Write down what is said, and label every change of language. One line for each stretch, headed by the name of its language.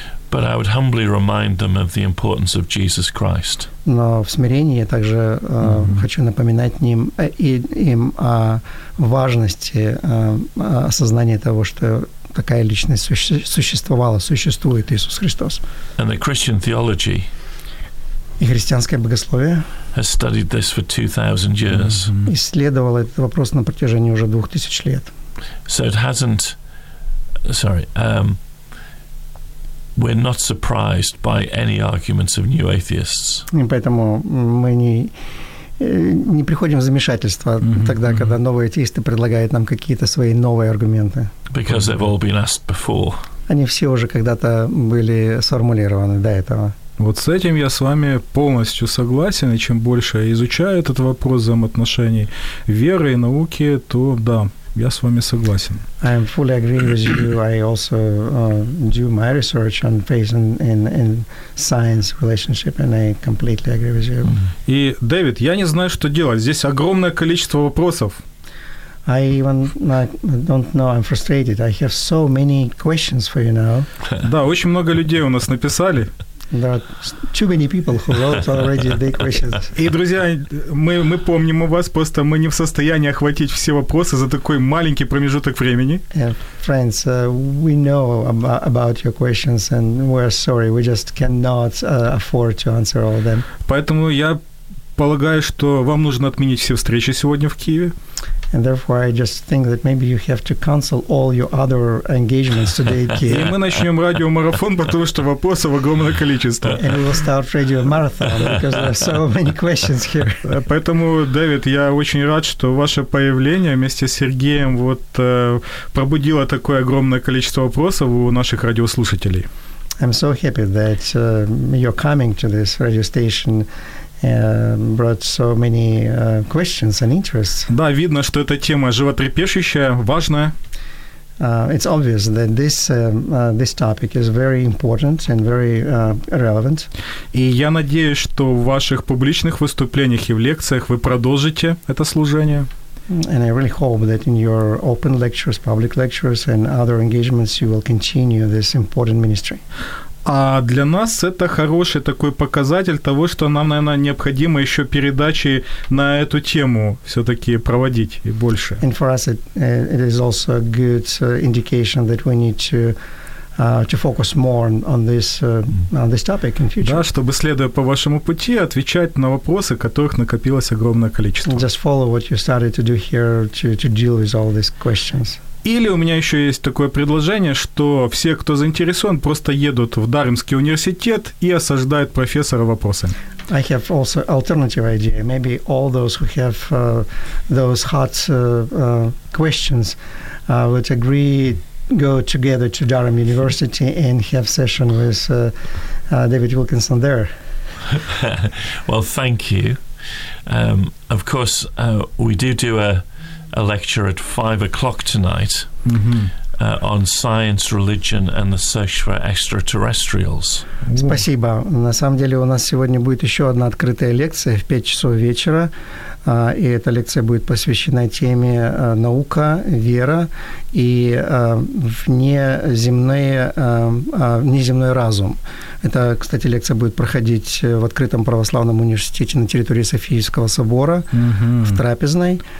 English: But I would humbly remind them of the importance of Jesus Christ.
Russian: Но в смирении я также хочу напоминать им о важности осознания того, что такая личность существует Иисус Христос.
English: And the Christian theology.
Russian: И христианское богословие.
English: Has studied this for 2,000 years.
Russian: Исследовало этот вопрос на протяжении уже 2000 лет.
English: So it hasn't. Sorry. We're not surprised by any arguments of new atheists.
Russian: И поэтому мы не приходим в замешательство тогда, когда новые атеисты предлагают нам какие-то свои новые аргументы.
English: Because they've all been asked before.
Russian: Они все уже когда-то были сформулированы до этого. Вот с этим я с вами полностью согласен, и чем больше я изучаю этот вопрос взаимоотношений веры и науки, то да. Я с вами согласен.
English: I am fully agree with you. I also do my research on faith in science relationship, and I completely agree with you.
Russian: И, Дэвид, я не знаю, что делать. Здесь огромное количество вопросов.
English: I don't know. I'm frustrated. I have so many questions for you now.
Russian: Да, очень много людей у нас написали.
English: There are too many people who wrote already their questions.
Russian: И, друзья, мы помним о вас, просто мы не в состоянии охватить все вопросы за такой маленький промежуток времени.
English: Friends, we know about your questions, and we're sorry, we just cannot afford to answer all of them.
Russian: Поэтому я полагаю, что вам нужно отменить все встречи сегодня в Киеве.
English: And therefore I just think that maybe you have to cancel all your other engagements today in Kiev.
Russian: И мы начнем радиомарафон, потому что вопросов огромное количество.
English: And we will start radio marathon because there are so many questions here.
Russian: Поэтому, Дэвид, я очень рад, что ваше появление вместе с Сергеем вот пробудило такое огромное количество вопросов у наших радиослушателей.
English: I'm so happy that you're coming to this radio station. Brought so many questions and interests.
Russian: Да, видно, что эта тема животрепещущая, важная.
English: It's obvious that this this topic is very important and very relevant.
Russian: И я надеюсь, что в ваших публичных выступлениях и в лекциях вы продолжите это служение.
English: And I really hope that in your open lectures, public lectures, and other engagements, you will continue this important ministry.
Russian: А для нас это хороший такой показатель того, что нам, наверное, необходимо еще передачи на эту тему все-таки проводить и больше.
English: And for us it is also a good indication that we need to to focus more on this topic in future.
Russian: Да, чтобы, следуя по вашему пути, отвечать на вопросы, которых накопилось огромное количество.
English: And just follow what you started to do here to deal with all these questions.
Russian: Или у меня еще есть такое предложение, что все, кто заинтересован, просто едут в Дармский университет и осаждают профессора вопросами.
English: I have also alternative idea. Maybe all those who have those hot questions would agree, go together to Durham University and have session with David Wilkinson there. Well, thank you. Of course, we do a lecture at 5 o'clock tonight on science, religion, and the search for extraterrestrials.
Russian: Спасибо. На самом деле у нас сегодня будет еще одна открытая лекция в 5 часов вечера, и эта лекция будет посвящена теме наука, вера и внеземной разум. Это, кстати, лекция будет проходить в открытом православном университете на территории Софийского собора в трапезной.